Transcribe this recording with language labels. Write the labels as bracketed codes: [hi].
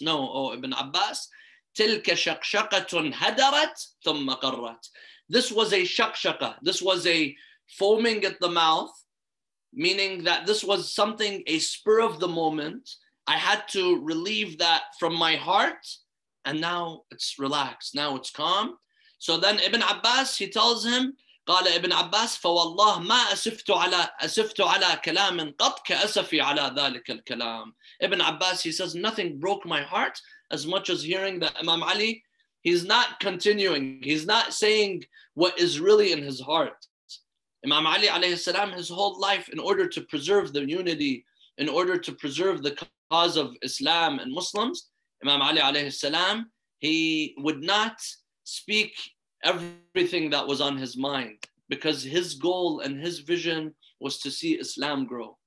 [en] No, oh [ar] Ibn Abbas. Tilka shaqshaqatun hadarat thumma qarrat. [en] This was a shaqshaqa. This was a foaming at the mouth, meaning that this was something, a spur of the moment. I had to relieve that from my heart, and now it's relaxed, now it's calm. So then Ibn Abbas, he tells him, [ar] قَالَ Ibn Abbas, فَوَاللَّهْ مَا أَسِفْتُ عَلَىٰ كَلَامٍ قَدْ كَأَسَفِي عَلَىٰ ذَلِكَ الْكَلَامِ. [en] Ibn Abbas, he says, nothing broke my heart as much as hearing that Imam Ali, he's not continuing, he's not saying what is really in his heart. Imam Ali alayhi salam, his whole life, in order to preserve the unity, in order to preserve the cause of Islam and Muslims, Imam Ali alayhi salam, he would not speak everything that was on his mind, because his goal and his vision was to see Islam grow.